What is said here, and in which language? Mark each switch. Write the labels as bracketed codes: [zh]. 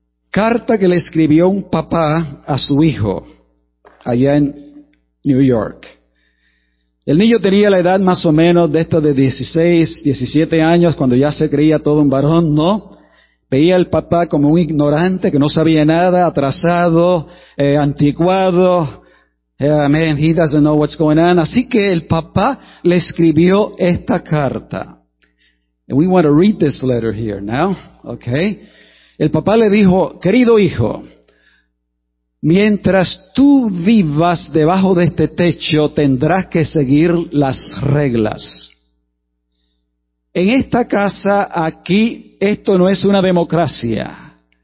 [es] Carta que le escribió un papá a su hijo, allá en New York. El niño tenía la edad más o menos de esta de 16, 17 años, cuando ya se creía todo un varón, ¿no? Veía al papá como un ignorante, que no sabía nada, atrasado, anticuado. [en] Man, he doesn't know what's going on. [es] Así que el papá le escribió esta carta. [en] And we want to read this letter here now, okay? [es] El papá le dijo, querido hijo, mientras tú vivas debajo de este techo, tendrás que seguir las reglas. En esta casa aquí, esto no es una democracia.